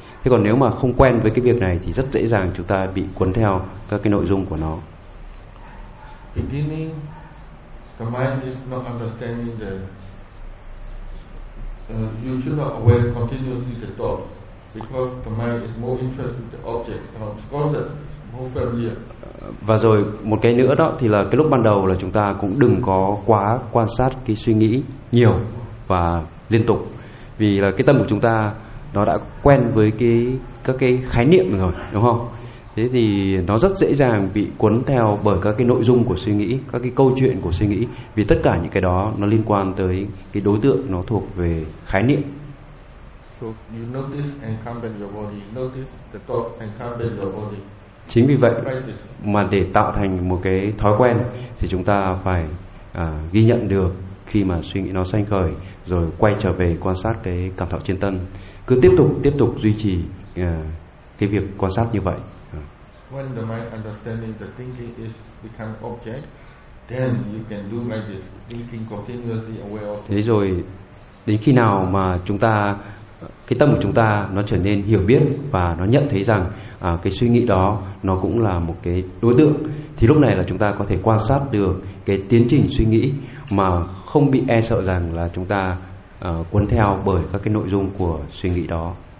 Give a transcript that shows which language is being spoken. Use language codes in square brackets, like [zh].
[vi] Thế còn nếu mà không quen với cái việc này thì rất dễ dàng chúng ta bị cuốn theo các cái nội dung của nó. [en] Beginning, the mind is not understanding the you should not aware continuously the thought, because the mind is more interested in the object, of course it's more familiar. [vi] Và rồi một cái nữa đó thì là cái lúc ban đầu là chúng ta cũng đừng có quá quan sát cái suy nghĩ nhiều và liên tục, vì là cái tâm của chúng ta nó đã quen với các cái khái niệm rồi, đúng không? Thế thì nó rất dễ dàng bị cuốn theo bởi các cái nội dung của suy nghĩ, các cái câu chuyện của suy nghĩ, vì tất cả những cái đó nó liên quan tới cái đối tượng, nó thuộc về khái niệm. [en] So you notice and calm down your body, notice the thought and calm down your body. [vi] Chính vì vậy mà để tạo thành một cái thói quen thì chúng ta phải ghi nhận được khi mà suy nghĩ nó sanh khởi, rồi quay trở về quan sát cái cảm thọ chuyên tâm, cứ tiếp tục duy trì cái việc quan sát như vậy. [en] When the mind understanding the thinking is become object, then you can do like this, thinking continuously aware of. [vi] Thế rồi đến khi nào mà chúng ta, cái tâm của chúng ta nó trở nên hiểu biết và nó nhận thấy rằng cái suy nghĩ đó nó cũng là một cái đối tượng, thì lúc này là chúng ta có thể quan sát được cái tiến trình suy nghĩ mà không bị e sợ rằng là chúng ta cuốn theo bởi các cái nội dung của suy nghĩ đó.